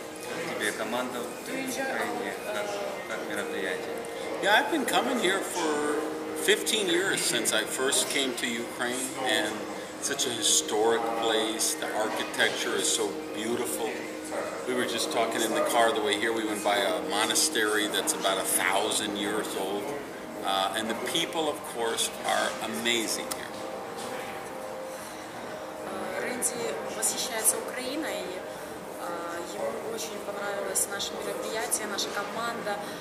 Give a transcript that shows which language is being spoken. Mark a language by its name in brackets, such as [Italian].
[Russian] Как тебе команда в Украине? Как мероприятие? [English] Yeah, I've been coming here for 15 years since I first came to Ukraine, and it's such a historic place. The architecture is so beautiful. We were just talking in the car the way here. We went by a monastery that's about 1,000 years old. And the people, of course, are amazing here. [Ukrainian] Рэнді восхищається Україною. Йому дуже [Russian] понравилось наше мероприятие, [Ukrainian] наша команда.